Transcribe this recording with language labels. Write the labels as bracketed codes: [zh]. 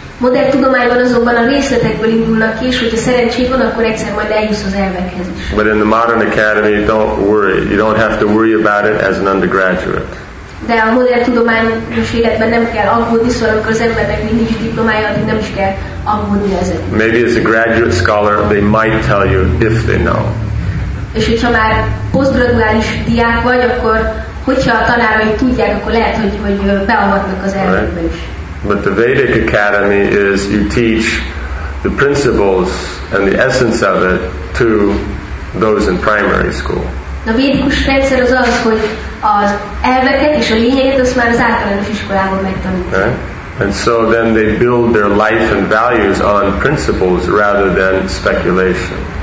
[hu] Modern tudományban azonban a részletekből indulnak ki, és hogyha szerencséd van, akkor egyszer majd eljussz az elvekhez is. [en] But in the modern academy, don't worry. You don't have to worry about it as an undergraduate. [hu] De a modern tudományos életben nem kell aggódni, szóval amikor az embernek mindig is diplomája, addig nem is kell aggódni ezeket. [en] Maybe as a graduate scholar, they might tell you if they know. [hu] És hogyha már posztgraduális diák vagy, akkor hogyha a tanáraid tudják, akkor lehet, hogy beavatnak az elvekbe is. [en] But the Vedic Academy is you teach the principles and the essence of it to those in primary school. [hu] A védikus rendszer az az, hogy az elveket és a lényeget azt már az általános iskolában megtanítják. [en] And so then they build their life and values on principles rather than speculation.